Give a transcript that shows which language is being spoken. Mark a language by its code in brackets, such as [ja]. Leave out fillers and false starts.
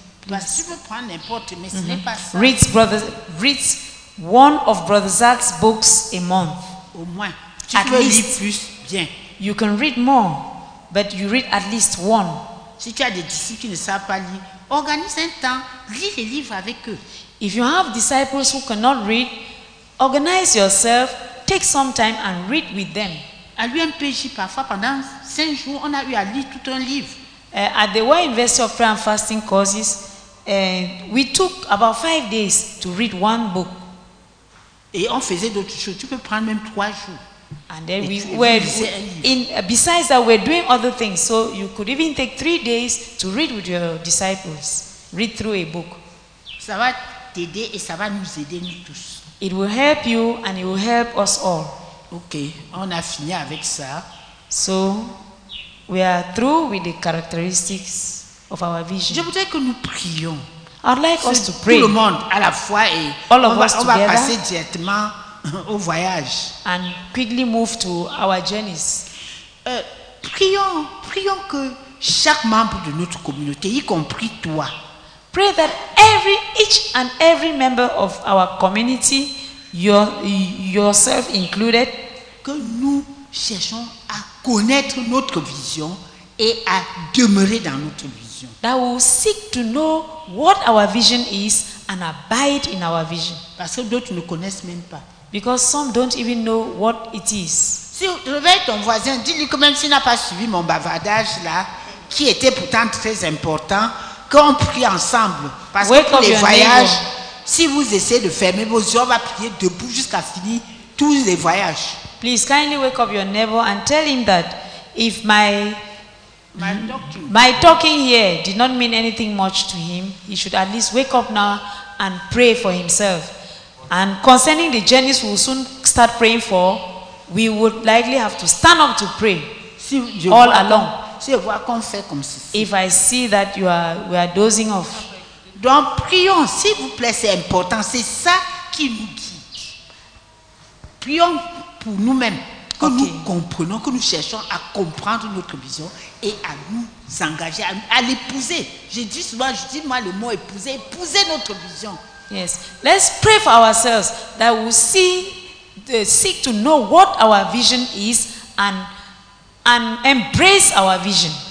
[fr] Tu peux prendre n'importe, mais ce n'est pas ça. [en] Reads one of Brother Zach's books a month. [fr] Au moins. Tu peux lire plus, bien. [en] You can read more. but you read at least one. [fr] Si tu as des disciples qui ne savent pas lire, organise un temps, lis les livres avec eux. [en] If you have disciples who cannot read, organize yourself, take some time and read with them. [fr] À l'UMPJ, parfois pendant 5 jours, on a eu à lire tout un livre. [en] At the World University of Prayer and Fasting courses, we took about 5 days to read one book. [fr] Et on faisait d'autres choses. Tu peux prendre même 3 jours. [en] And then besides that, we're doing other things. So you could even take 3 days to read with your disciples, read through a book. [fr] Ça va t'aider et ça va nous aider nous tous. [en] It will help you and it will help us all. [fr] Okay, on a fini avec ça. [en] So we are through with the characteristics of our vision. [fr] Je voudrais que nous prions. [en] I'd like us to pray. [fr] Tout le monde à la fois et [en] all of us together. [fr] On va passer directement au voyage. [en] And quickly move to our journeys. [fr] Prions que chaque membre de notre communauté, y compris toi. [en] Pray that each and every member of our community, yourself included, [fr] que nous cherchons à connaître notre vision et à demeurer dans notre vision. [en] That we seek to know what our vision is and abide in our vision. [fr] Parce que d'autres ne connaissent même pas. [en] Because some don't even know what it is. [fr] Si tu réveilles ton voisin, dis-lui que même s'il n'a pas suivi mon bavardage là, qui était pourtant très important, qu'on prie ensemble. Parce que pour les voyages, si vous essayez de fermer vos yeux, on va prier debout jusqu'à finir tous les voyages. [en] Please kindly wake up your neighbor and tell him that if my talking here did not mean anything much to him, he should at least wake up now and pray for himself. And concerning the journeys we will soon start praying for, we would likely have to stand up to pray [fr] si [en] all along. [fr] Si je vois qu'on fait comme ceci. [en] If I see that we are dozing off. [fr] Donc prions, s'il vous plaît, c'est important, c'est ça qui nous guide. Prions pour nous-mêmes, que nous comprenons, que nous cherchons à comprendre notre vision et à nous engager, à l'épouser. Je dis souvent le mot épouser notre vision. [en] Yes, let's pray for ourselves that we seek to know what our vision is and embrace our vision.